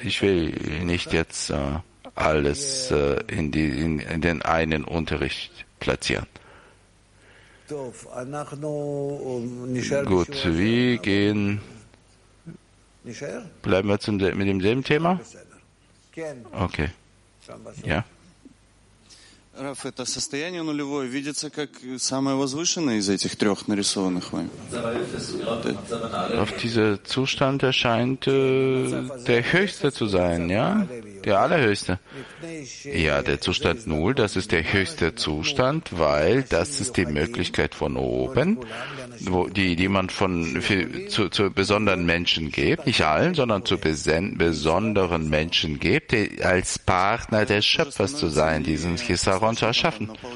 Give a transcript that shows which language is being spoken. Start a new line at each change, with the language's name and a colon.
German: Ich will nicht jetzt alles in den einen Unterricht platzieren. Gut, wir gehen. Bleiben wir mit demselben Thema? Okay. Ja.
Russian: Раф, это состояние нулевое видится как самое возвышенное из этих трех нарисованных вами.
German: Раф, dieser Zustand erscheint der höchste zu sein, ja? Der allerhöchste. Ja, der Zustand Null, das ist der höchste Zustand, weil das ist die Möglichkeit von oben, wo die man von zu besonderen Menschen gibt, nicht allen, sondern zu besonderen Menschen gibt, die als Partner des Schöpfers zu sein, diesen Chisaron zu erschaffen.